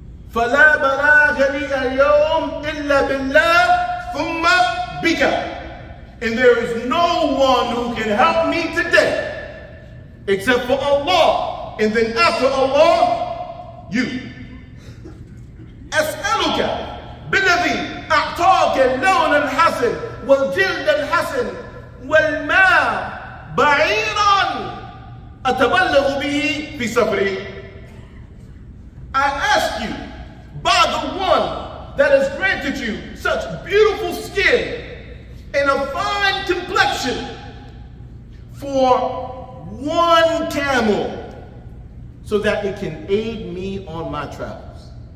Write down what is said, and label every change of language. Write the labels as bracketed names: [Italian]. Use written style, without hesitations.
[Arabic] فَلَا بَرَاجَ لِيَ الْيَوْمِ إِلَّا بِاللَّهِ ثُمَّ بِكَ. [English] And there is no one who can help me today except for Allah, and then after Allah, you. [Arabic] أَسْأَلُكَ بِالَّذِي أَعْطَاكَ اللَّوْنَ الْحَسَنِ وَالْجِلْدَ الْحَسَنِ والماء بعيرا أتبلغ به في سفري. [English] I ask you by the one that has granted you such beautiful skin and a fine complexion for one camel so that it can aid me on my travels.